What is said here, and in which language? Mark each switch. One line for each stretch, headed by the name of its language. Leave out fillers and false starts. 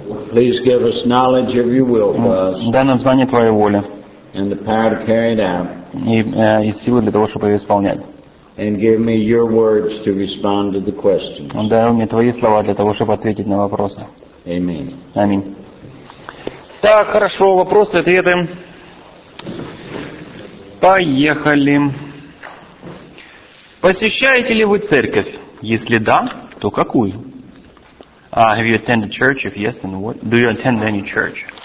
English: please give us knowledge of your will for us.
Russian: Твоей воли.
English: And the power to carry it out.
Russian: И силы для того, чтобы ее исполнять.
English: And give me your words to respond to the questions.
Russian: Дай мне твои слова для того, чтобы ответить на вопросы.
English: Amen.
Russian: Аминь. Так, хорошо, вопросы, ответы. Поехали. Посещаете ли вы церковь? Если да, то какую?
English: Have you attended church? If yes, then what? Do you attend any church?